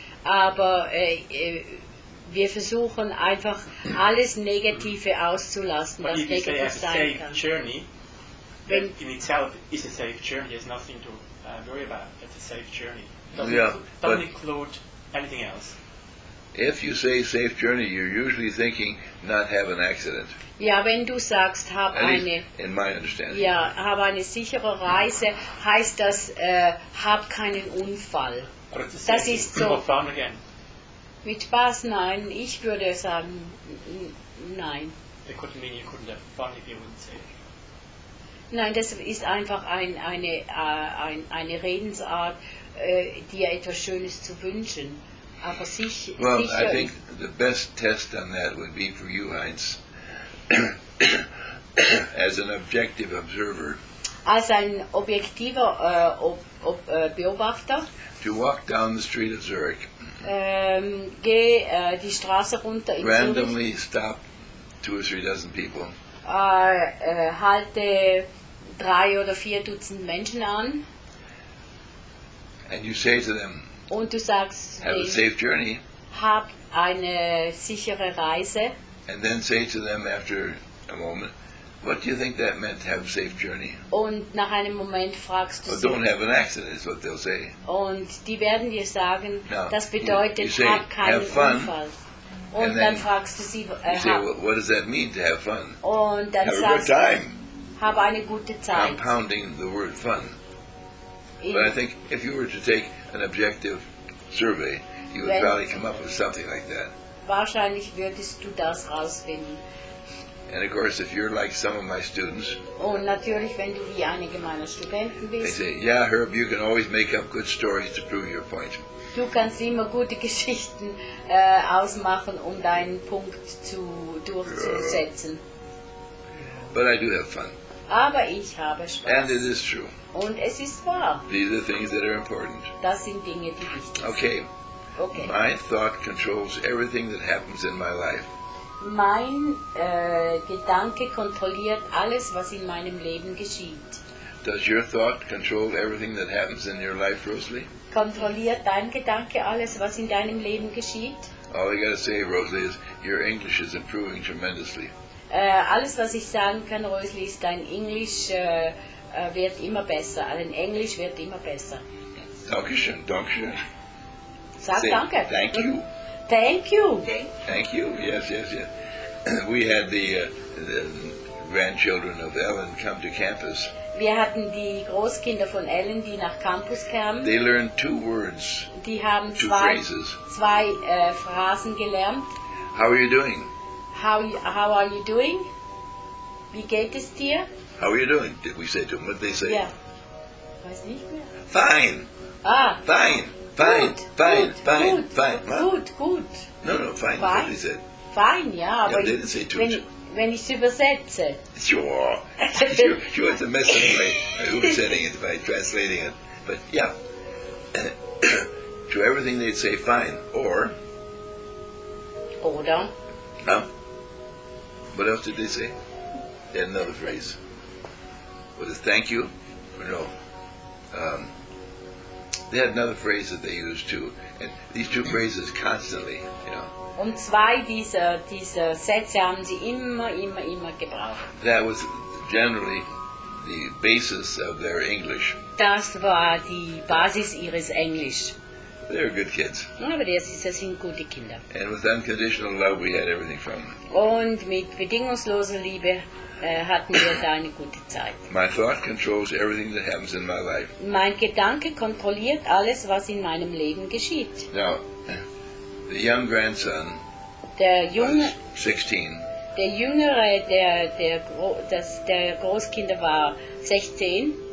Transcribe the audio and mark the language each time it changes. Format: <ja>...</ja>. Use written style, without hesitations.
<de>Aber wir versuchen einfach alles Negative auszulassen, was negativ sein kann.</de> <en>But if you say a safe journey, that in itself is a safe journey. There's nothing to worry about. Safe journey. Doesn't include anything else. If you say safe journey, you're usually thinking not have an accident.</en> <de>Ja, wenn du sagst, hab eine,</de> <en>in my understanding.</en> <de>Ja, hab eine sichere Reise, heißt das, hab keinen Unfall. Das ist so. Mit Spaß, nein. Ich würde sagen, nein. It could mean you couldn't have fun if you wouldn't say it. Nein, das ist einfach eine Redensart, dir etwas Schönes zu wünschen. Aber sicher.</de> <en>Well, I think the best test on that would be for you, Heinz, as an objective observer.</en> <de>als ein objektiver Beobachter.</de> <en>To walk down the street of Zurich.</en> <de>Geh die Straße runter in</de> <en>randomly</en> <de>Zürich.</de> <en>Stop two or three dozen people.</en> <de>Halte drei oder vier Dutzend Menschen an.</de> <en>And you say to them,</en> <de>und du sagst,</de> <en>have a safe journey.</en> <de>Hab eine sichere Reise.</de> <en>And then say to them after a moment, what do you think that meant, have a safe journey?</en> <de>Und nach einem Moment fragst du</de> <en>well,</en> <de>sie,</de> <en>don't have an accident, is what they'll say.</en> <de>Und die werden dir sagen, no, das bedeutet, say, hab keinen Unfall. Und dann fragst du sie,</de> <en>say, well, what does that mean, to have fun?</en> <de>Und dann</de> <en>have</en> <de>sagst</de> <en>a good time.</en> <de>Hab eine gute Zeit.</de> <en>Compounding the word fun. But I think if you were to take an objective survey, you would probably come up with something like that.</en> <de>Wahrscheinlich würdest du das rausfinden.</de> <en>And of course, if you're like some of my students,</en> <de>und natürlich, wenn du wie einige meiner Studenten bist,</de> <en>they say, yeah, Herb, you can always make up good stories to prove your point.</en> <de>Du kannst immer gute Geschichten ausmachen, um deinen Punkt zu durchzusetzen.</de> <en>But I do have fun.</en> <de>Aber ich habe Spaß.</de> <en>And it is true.</en> <de>Und es ist wahr.</de> <en>These are things that are important.</en> <de>Das sind Dinge, die wichtig sind. Okay. Okay.</de> <en>My thought controls everything that happens in my life.</en> <de>Mein Gedanke kontrolliert alles, was in meinem Leben geschieht.</de> <en>Does your thought control everything that happens in your life, Rosalie?</en> <de>Kontrolliert dein Gedanke alles, was in deinem Leben geschieht?</de> <en>All you gotta say, Rosalie, is your English is improving tremendously.</en> <de>Alles, was ich sagen kann, Rosalie, ist dein Englisch wird immer besser. Dein Englisch wird immer besser. Dankeschön, Dankeschön. Sag</de> <en>say,</en> <de>danke.</de> <en>Thank you. Thank you. Thank you. Yes, yes, yes. We had the grandchildren of Ellen come to campus.</en> <de>Wir hatten die Großkinder von Ellen, die nach Campus kamen.</de> <en>They learned two words.</en> <de>Die haben</de> <en>two phrases.</en> <de>Zwei Phrasen gelernt.</de> <en>How are you doing? How are you doing?</en> <de>Wie geht es dir?</de> <en>How are you doing? Did we say to them? What did they say?</en> <de>Yeah. Weiß nicht mehr.</de> <en>Fine. Ah. Fine. Fine. Good. Fine. Good. Good. Fine. Good. Good. Good. No, no, fine. Fine. What they said. Fine, yeah. Yeah, but they didn't say too much.</en> <de>When ich übersetze.</de> <en>Sure. Sure, it's a mess of my oversetting it by translating it. But yeah. To everything they'd say, fine. Or.</en> <de>Oder.</de> <en>No. What else did they say? They had another phrase. Was it thank you? Or no. They had another phrase that they used too. And these two phrases constantly, you know.</en> <de>Und zwei dieser Sätze haben sie immer, immer, immer gebraucht.</de> <en>That was generally the basis of their English.</en> <de>Das war die Basis ihres Englisch.</de> <en>They're good kids.</en> <de>Aber das sind gute Kinder.</de> <en>And with unconditional love we had everything from them.</en> <de>Und mit bedingungsloser Liebe hatten wir da eine gute Zeit.</de> <en>My thought controls everything that happens in my life.</en> <de>Mein Gedanke kontrolliert alles, was in meinem Leben geschieht.</de> <en>Now, the young grandson,</en> <de>der junge,</de> <en>was 16.</en> <de>Der jüngere, der Großkinder war 16.</de>